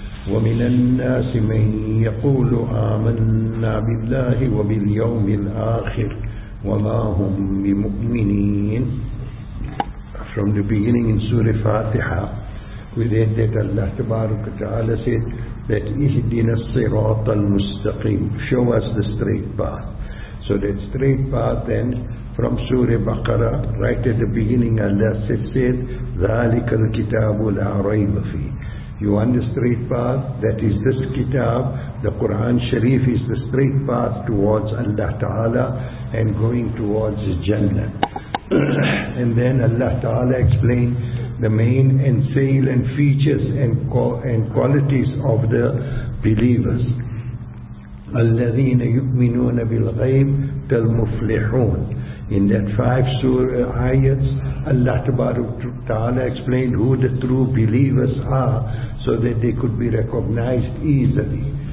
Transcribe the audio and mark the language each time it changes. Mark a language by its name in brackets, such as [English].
[Arabic] ومن الناس من يقول آمنا بالله وباليوم الآخر وما هم بمؤمنين. [English] From the beginning in Surah Fatiha, we read that Allah تبارك وتعالى said that [Arabic] إهدنا الصراط المستقيم, [English] show us the straight path. So that straight path then from Surah Baqarah, right at the beginning, Allah said, [Arabic] ذَلِكَ الْكِتَابُ لَا رَيْبَ فِيهِ. [English] You want the straight path? That is this kitab. The Quran Sharif is the straight path towards Allah Ta'ala and going towards Jannah. And then Allah Ta'ala explained the main and salient features and qualities of the believers. [Arabic] الذين يؤمنون بالغيب كالمفلحون. [English] In that five surah ayats, Allah Ta'ala explained who the true believers are so that they could be recognized easily.